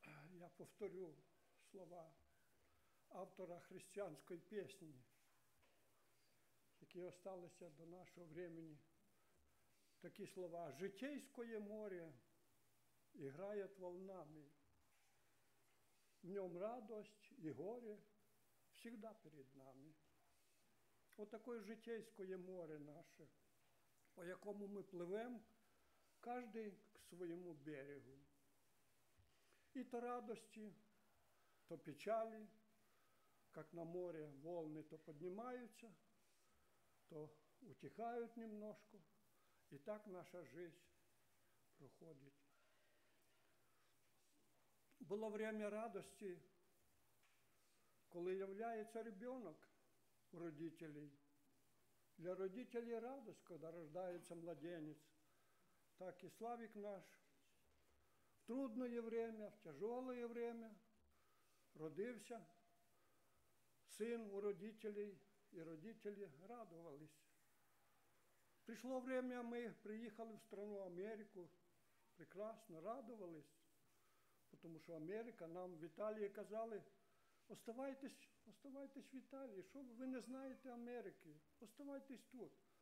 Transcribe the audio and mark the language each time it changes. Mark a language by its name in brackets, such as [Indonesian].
[Ukrainian] Я повторю слова автора християнської пісні, які осталися до нашого времени. Такі слова: «Житейське море іграє волнами, в ньому радость і горе завжди перед нами». Отакое житейське море наше, по якому ми пливемо, [Russian] каждый к своему берегу. И то радости, то печали, как на море волны то поднимаются, то утихают немножко, и так наша жизнь проходит. Было время радости, когда является ребенок у родителей. Для родителей радость, когда рождается младенец. [Ukrainian] Так і Славик наш в трудне время, в тяжке время родився син у родителей, і родителі радувалися. Прийшло время, ми приїхали в страну Америку, прекрасно радувалися, тому що Америка, нам в Італії казали, оставайтесь в Італії, що ви не знаєте Америки, оставайтесь тут.